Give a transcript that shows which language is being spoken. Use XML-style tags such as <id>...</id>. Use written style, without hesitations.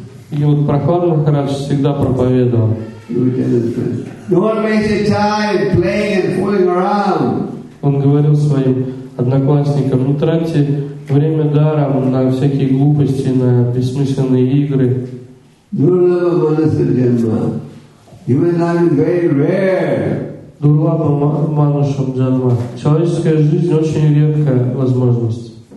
<ru>И вот Прохлад Махарадж всегда проповедовал.</ru> <en>Don't waste your time playing and fooling around.</en> <ru>Он говорил своим одноклассникам, не тратьте время даром на всякие глупости, на бессмысленные игры.</ru> <en>Human life is very rare.</en> <sa>Дурлапа Манушам Джанма.</sa> <ru>Человеческая жизнь очень редкая возможность.</ru>